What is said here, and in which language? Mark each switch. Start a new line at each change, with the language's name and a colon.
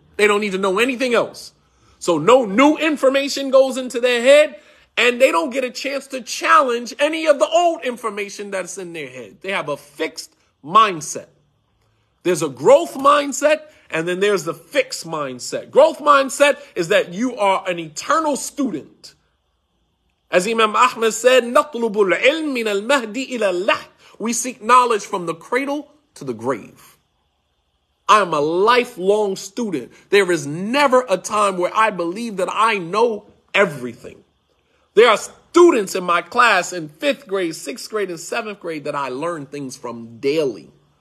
English: They don't need to know anything else. So no new information goes into their head, and they don't get a chance to challenge any of the old information that's in their head. They have a fixed mindset. There's a growth mindset, and then there's the fixed mindset. Growth mindset is that you are an eternal student. As Imam Ahmad said,
Arabic: نطلب العلم من المهدي إلى اللح.
English: We seek knowledge from the cradle to the grave. I am a lifelong student. There is never a time where I believe that I know everything. There are students in my class in fifth grade, sixth grade, and seventh grade that I learn things from daily.